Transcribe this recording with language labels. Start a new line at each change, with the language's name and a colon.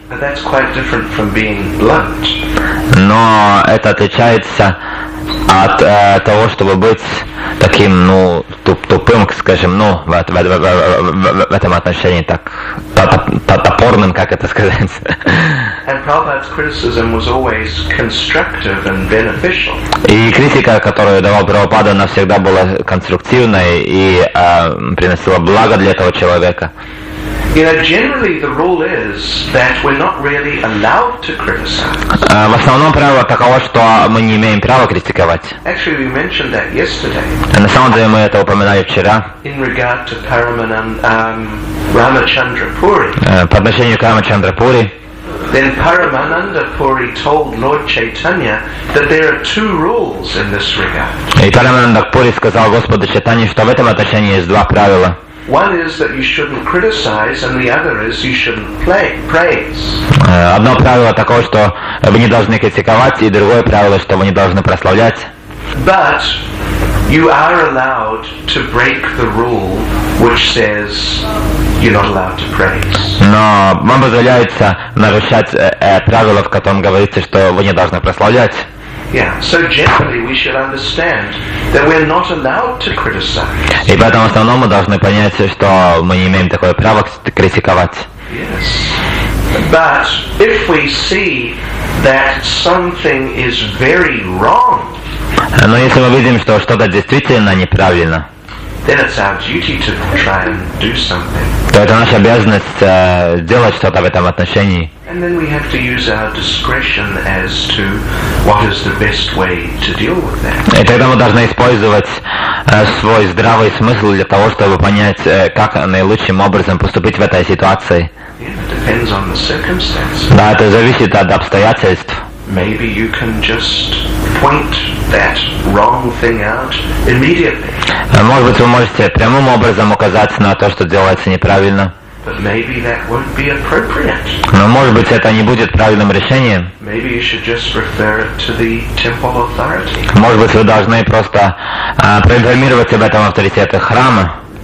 English: But that's quite different from being blunt.
Russian: Но это отличается от того, чтобы быть таким, ну, тупым, скажем, ну, в этом отношении, так, топорным, как это сказать.
English: And Prabhupada's criticism was always constructive and beneficial.
Russian: И критика, которую давал Прабхупада, она всегда была конструктивной и приносила благо для этого человека.
English: You know, generally the rule is that we're not really allowed to criticize.
Russian: В основном правило таково, что мы не имеем права критиковать.
English: Actually, we mentioned that yesterday.
Russian: На самом деле мы это упоминали вчера.
English: In regard to Ramachandrapuri.
Russian: По отношению к Рамачандрапури.
English: Then Paramananda Puri told Lord Chaitanya that there are two rules in this regard.
Russian: И Парамананда Пури сказал Господу Чайтанье, что в этом отношении есть два правила.
English: One is that you shouldn't criticize, and the other is you shouldn't praise.
Russian: Одно правило такое, что вы не должны критиковать, и другое правило, что вы не должны прославлять.
English: But you are allowed to break the rule which says you're not allowed to praise.
Russian: Но вам позволяется нарушать правило, в котором говорится, что вы не должны прославлять.
English: Yeah, so generally we should understand that we're not allowed to criticize.
Russian: И поэтому в основном мы должны понять, что мы не имеем такое право критиковать.
English: Yes. But if we see that something is very wrong,
Russian: но если мы видим, что что-то действительно неправильно,
English: then it's our duty to try and do something.
Russian: То это наша обязанность делать что-то в этом отношении.
English: And then we have to use our discretion as to what is the best way to deal with that.
Russian: И тогда мы должны использовать свой здравый смысл для того, чтобы понять, как наилучшим образом поступить в этой ситуации.
English: Yeah, it depends on the circumstances.
Russian: Да, это зависит от обстоятельств.
English: Maybe you can just point that wrong thing out immediately.
Russian: Может быть, вы можете прямым образом указать на то, что делается неправильно.
English: But maybe that won't be appropriate.
Russian: Но может быть, это не будет правильным решением.
English: Maybe you should just refer it to the temple authority.
Russian: Может быть, вы должны просто проинформировать об этом авторитеты храма.